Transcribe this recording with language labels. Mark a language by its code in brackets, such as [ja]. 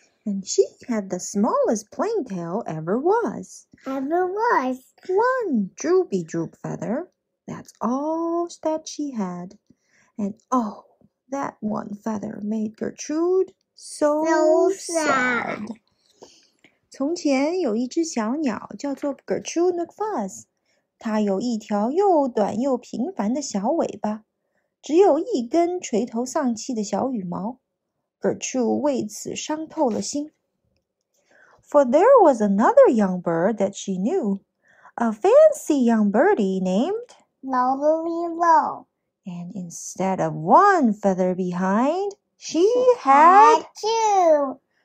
[en] and she had the smallest plain tail ever was. One droopy droop feather, that's all that she had. And oh, that one feather made Gertrude so sad. [zh] 从前有一只小鸟叫做 Gertrude McFuzz。它有一条又短又平凡的小尾巴，只有一根垂头丧气的小羽毛。 Gertrude为此伤透了心。 [en] For there was another young bird that she knew, a fancy young birdie named Lovely Low. And instead of one feather behind, she had two.